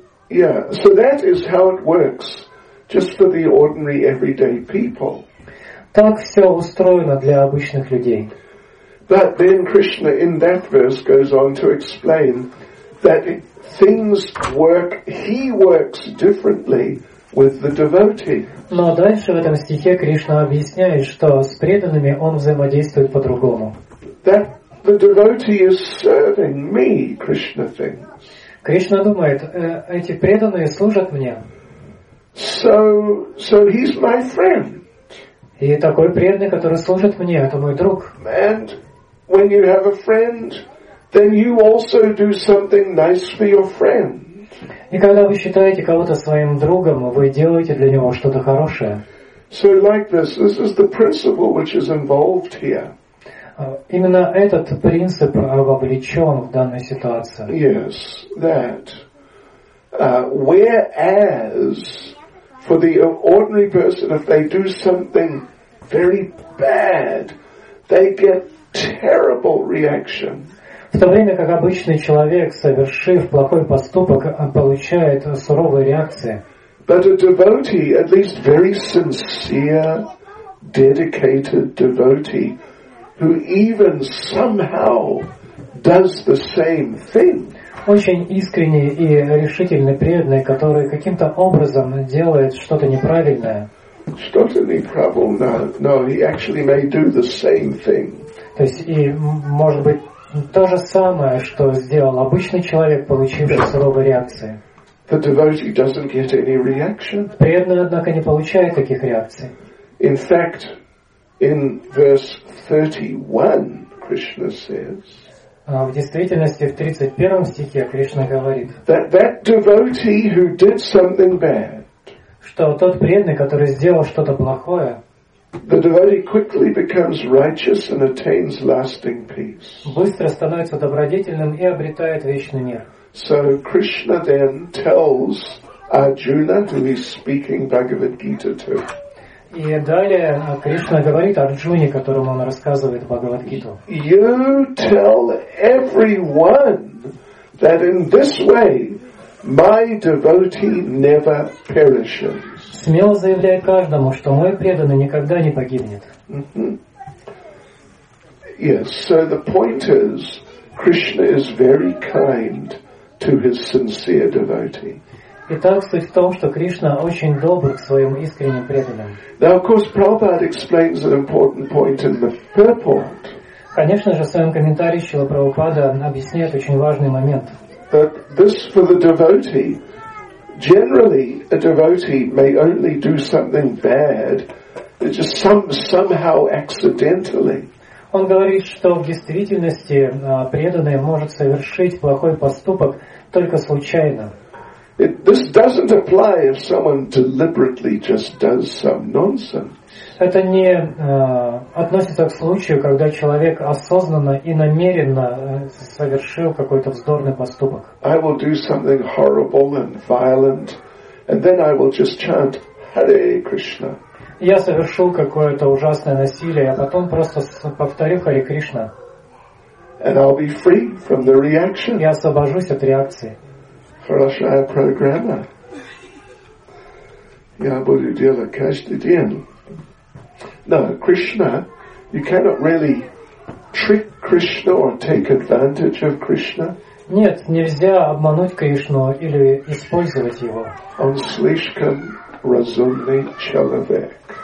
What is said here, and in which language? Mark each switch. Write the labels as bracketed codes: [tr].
[en] So that is how it works, just for the ordinary everyday people. [ru] Так все устроено для обычных людей. [en] But then Krishna in that verse goes on to explain that things work, he works differently with the devotee. [ru] Но дальше в этом стихе Кришна объясняет, что с преданными он взаимодействует по-другому. [en] That the devotee is serving me, Krishna thinks. [ru] Кришна думает, эти преданные служат мне. [en] So he's my friend. [ru] И такой преданный, который служит мне, это мой друг. [en] And when you have a friend, then you also do something nice for your friend. [ru] И когда вы считаете кого-то своим другом, вы делаете для него что-то хорошее. [en] So like this is the principle which is involved here. [ru] Именно этот принцип вовлечен в данную ситуацию. [en] Yes, that. Whereas for the ordinary person, if they do something very bad, they get terrible reaction. [ru] В то время как обычный человек, совершив плохой поступок, получает суровые реакции. [en] But a devotee, at least very sincere, dedicated devotee, who even somehow does the same thing. [ru] Очень искренний и решительный преданный, который каким-то образом делает что-то неправильное. Что-то неправильное? [en] No, he actually may do the same thing. [ru] То есть, и может быть то же самое, что сделал обычный человек, получивший суровые реакции. [en] The devotee doesn't get any reaction. [ru] Преданный, однако, не получает таких реакций. [en] In fact, in verse 31, Krishna says. [ru] В действительности, в 31 стихе Кришна говорит, [en] that devotee who did something bad, [ru] что тот преданный, который сделал что-то плохое, [en] the devotee quickly becomes righteous and attains lasting peace. [ru] Быстро становится добродетельным и обретает вечный мир. [en] So Krishna then tells Arjuna, who he's speaking Bhagavad Gita to. [ru] И далее Кришна говорит Арджуне, которому он рассказывает Бхагавад Гиту. [en] You tell everyone that in this way my devotee never perishes. [ru] Смело заявляй каждому, что мой преданный никогда не погибнет. [en] Mm-hmm. Yes, so the point is, Krishna is very kind to his sincere devotee. [ru] Итак, суть в том, что Кришна очень добр к своим искренним преданным. [en] Now, of course, Prabhupada explains an important point in the purport. [ru] Конечно же, в своем комментарии Шрила Прабхупада объясняет очень важный момент. [en] But this for the devotee. Generally, a devotee may only do something bad, just somehow accidentally. [ru] Он говорит, что в действительности преданный может совершить плохой поступок только случайно. [en] This doesn't apply if someone deliberately just does some nonsense. [ru] Это не относится к случаю, когда человек осознанно и намеренно совершил какой-то вздорный поступок. [en] I will do something horrible and violent, and then I will just chant Hare Krishna. [ru] Я совершил какое-то ужасное насилие, а потом просто повторю Хари Кришна. [en] And I'll be free from the reaction. [ru] Я освобожусь от реакции. Хорошая программа. Я буду делать каждый день. [en] No, Krishna, you cannot really trick Krishna or take advantage of Krishna. [ru] Нет, нельзя обмануть Кришну или использовать его. Он слишком разумный человек.